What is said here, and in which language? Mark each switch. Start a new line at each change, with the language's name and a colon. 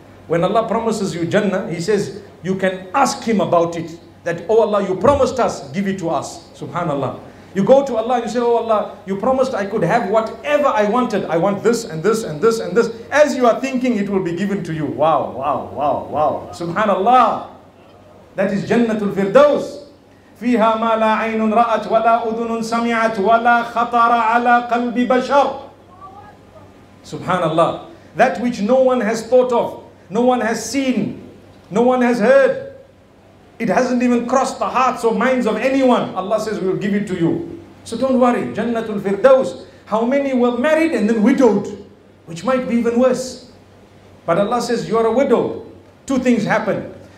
English: When Allah promises you Jannah, He says, you can ask Him about it. That, oh Allah, you promised us, give it to us. Subhanallah. You go to Allah and you say, oh Allah, you promised I could have whatever I wanted. I want this and this and this and this. As you are thinking, it will be given to you. Wow, wow, wow, wow. Subhanallah. That is Jannatul Firdaus.
Arabic: فيها ما لا عين رأت ولا أذن سمعت ولا خطر على قلب بشر. Subhanallah.
English: That which no one has thought of, no one has seen, no one has heard. It hasn't even crossed the hearts or minds of anyone. Allah says, we will give it to you. So don't worry. Jannatul Firdaus. How many were married and then widowed? Which might be even worse. But Allah says, you are a widow. Two things happen.